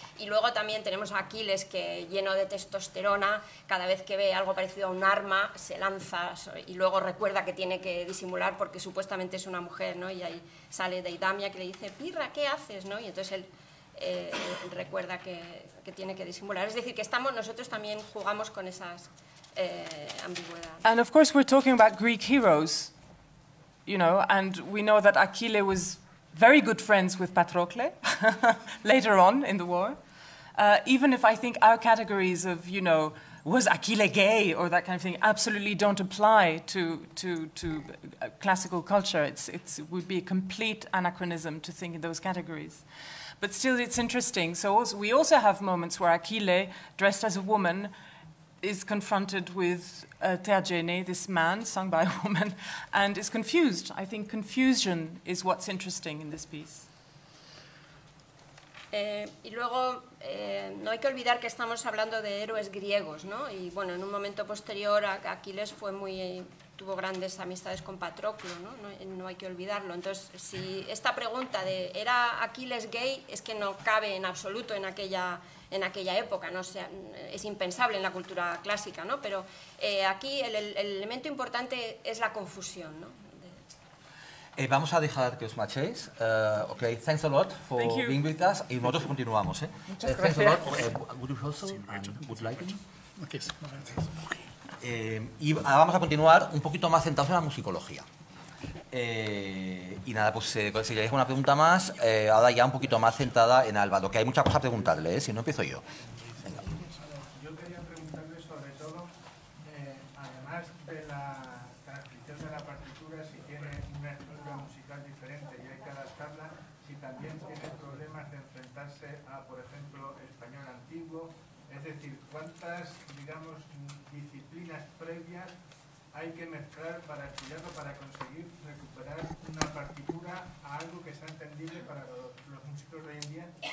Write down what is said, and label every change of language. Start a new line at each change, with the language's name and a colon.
Spanish: Y luego también tenemos a Aquiles, que lleno de testosterona, cada vez que ve algo parecido a un arma, se lanza y luego recuerda que tiene que disimular porque supuestamente es una mujer, ¿no? Y ahí sale Deidamia que le dice, Pyrrha, ¿qué haces? ¿No? Y entonces él recuerda que tiene que disimular. Es decir, que nosotros también jugamos con esas ambigüedades.
English: And of course we're talking about Greek heroes. You know, and we know that Achille was very good friends with Patrocle later on in the war. Even if I think our categories of, you know, was Achille gay or that kind of thing, absolutely don't apply to classical culture. It would be a complete anachronism to think in those categories. But still, it's interesting. So also, we also have moments where Achille, dressed as a woman, is confronted with Theagene, this man sung by a woman, and is confused. I think confusion is what's interesting in this piece.
Spanish: Y luego no hay que olvidar que estamos hablando de héroes griegos, ¿no? Y bueno, en un momento posterior, Aquiles tuvo grandes amistades con Patroclo, ¿no? No hay que olvidarlo. Entonces, si esta pregunta de ¿era Aquiles gay? Es que no cabe en absoluto en aquella época, ¿no? O sea, es impensable en la cultura clásica, ¿no? Pero aquí el elemento importante es la confusión, ¿no? Vamos a dejar que os marchéis.
English: Okay, thanks a lot for being with us.
Spanish: Y nosotros continuamos, ¿eh?
English: Thanks a lot. Would you also would like to? Okay.
Spanish: Y ahora vamos a continuar un poquito más centrados en la musicología. Y nada, pues si queréis una pregunta más, ahora ya un poquito más centrada en Álvaro, que hay muchas cosas a preguntarle, si no empiezo yo. Venga. Yo quería preguntarle sobre todo, además de la transcripción de la partitura, si tiene una estructura musical diferente y hay que adaptarla, si también tiene problemas de enfrentarse a, por ejemplo, español antiguo, es decir, ¿cuántas, digamos, disciplinas previas hay que mezclar para estudiarlo, para conseguir recuperar una partitura a algo que sea entendible para los músicos de hoy en día